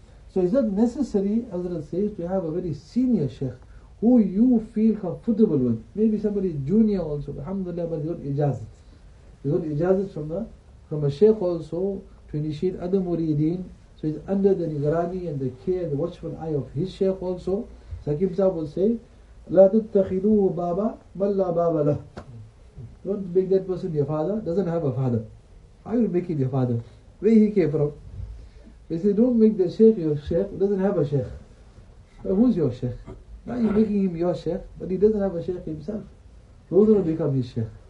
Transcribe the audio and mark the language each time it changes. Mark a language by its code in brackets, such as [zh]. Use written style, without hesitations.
[en] So is that necessary, as Hazrat says, to have a very senior sheikh who you feel comfortable with? Maybe somebody junior also, alhamdulillah, but he got ijazat. He got ijazat from a sheikh also to initiate other muridin. So he's under the nigrani and the care, the watchful eye of his sheikh also. Sakim Sahib will say, [ar] لا تتخذوه بابا بل لا بابا له. [en] Don't make that person your father, doesn't have a father. How will you make him your father? Where he came from? They say, don't make the sheikh your sheikh, who doesn't have a sheikh. But who's your sheikh? Now you're making him your sheikh, but he doesn't have a sheikh himself. Who's going to become his sheikh?